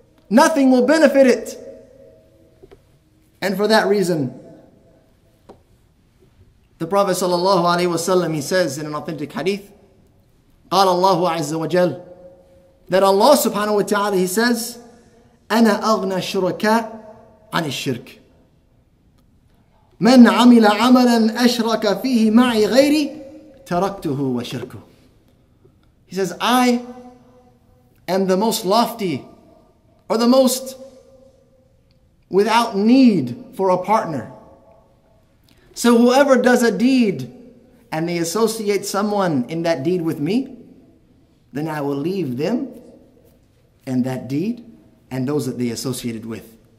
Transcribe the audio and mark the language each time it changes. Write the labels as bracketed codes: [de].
[en] Nothing will benefit it. And for that reason, the Prophet sallallahu alaihi wasallam, he says in an authentic hadith, [ar] قال الله عز وجل, [en] that Allah subhanahu wa ta'ala, He says, [ar] أنا أغنى شركاء عن الشرك. من عمل عملا أشرك فيه معي غيري تركته وشركه. [en] He says, I am the most lofty or the most without need for a partner. So whoever does a deed and they associate someone in that deed with me, then I will leave them and that deed and those that they associated with.